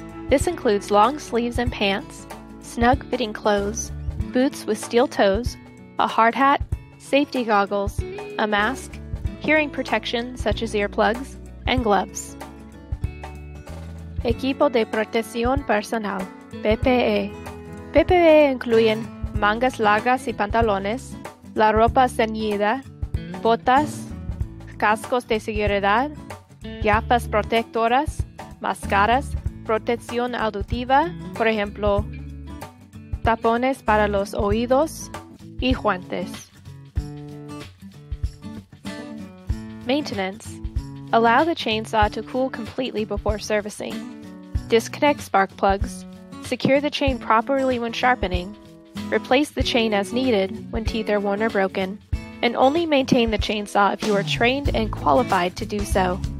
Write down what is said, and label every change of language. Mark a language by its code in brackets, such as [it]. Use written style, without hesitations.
[en] This includes long sleeves and pants, snug-fitting clothes, boots with steel toes, a hard hat, safety goggles, a mask, hearing protection such as earplugs, and gloves. [es] Equipo de protección personal, PPE. PPE incluyen mangas largas y pantalones, la ropa ceñida, botas, cascos de seguridad, gafas protectoras, máscaras, protección auditiva, por ejemplo, tapones para los oídos y guantes. [en] Maintenance. Allow the chainsaw to cool completely before servicing. Disconnect spark plugs. Secure the chain properly when sharpening. Replace the chain as needed when teeth are worn or broken. And only maintain the chainsaw if you are trained and qualified to do so.